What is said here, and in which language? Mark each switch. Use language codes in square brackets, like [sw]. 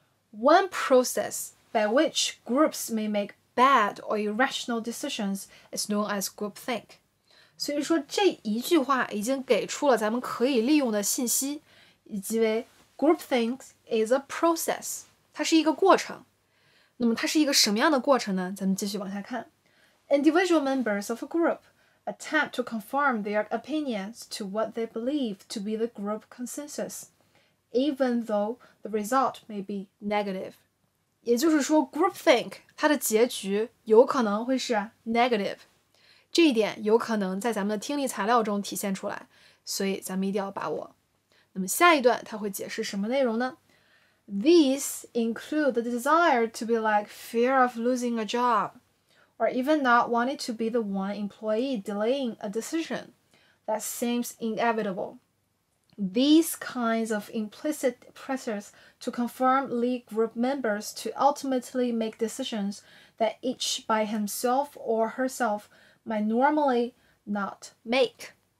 [en] One process by which groups may make bad or irrational decisions is known as groupthink。 [zh] 所以说这一句话已经给出了咱们可以利用的信息，以及为 [en] groupthink is a process， [zh] 它是一个过程。那么它是一个什么样的过程呢？咱们继续往下看。 [en] Individual members of a group attempt to conform their opinions to what they believe to be the group consensus, even though the result may be negative。 [zh] 也就是说 groupthink 它的结局有可能会是 negative，这一点有可能在咱们的听力材料中体现出来，所以咱们一定要把握。那么下一段它会解释什么内容呢？ [en] These include the desire to be like fear of losing a job, or even not wanting to be the one employee delaying a decision that seems inevitable. These kinds of implicit pressures to conform lead group members to ultimately make decisions that each by himself or herselfMy normally not make。